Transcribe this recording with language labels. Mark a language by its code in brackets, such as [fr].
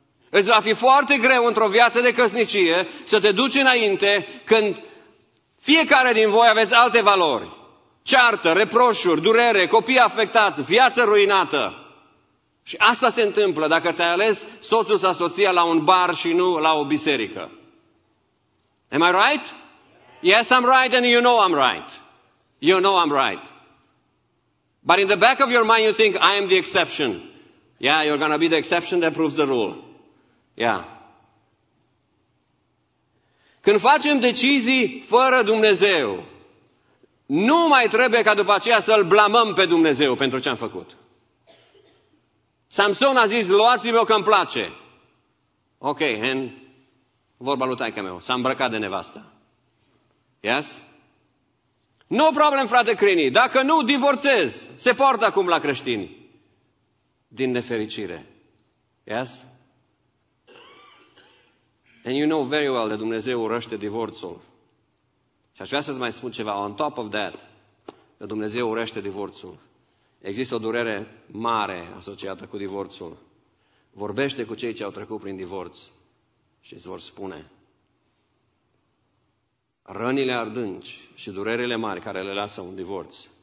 [ro] Îți va fi foarte greu într-o viață de căsnicie să te duci înainte când fiecare din voi aveți alte valori. Ceartă, reproșuri, durere, copii afectați, viață ruinată. Și asta se întâmplă dacă ți-ai ales soțul sau soția la un bar și nu la o biserică. [en] Am I right? Yes, I'm right and you know I'm right. You know I'm right. But in the back of your mind you think I am the exception. Yeah, you're going to be the exception that proves the rule. Yeah. [ro] Când facem decizii fără Dumnezeu, nu mai trebuie ca după aceea să-L blamăm pe Dumnezeu pentru ce am făcut. Samson a zis, luați-mi-o că-mi place. Ok, and vorba lui taică meu, s-a îmbrăcat de nevastă. Yes? [en] No problem, [ro] frate Crini, dacă nu, divorțez. Se poartă acum la creștini. Din nefericire. Yes? [en] And you know very well that [ro] Dumnezeu urăște divorțul. Și aș vrea să-ți mai spun ceva, [en] on top of that, [ro] că Dumnezeu urăște divorțul. Există o durere mare asociată cu divorțul. Vorbește cu cei ce au trecut prin divorț și îți vor spune. Rănile adânci și durerile mari care le lasă un divorț.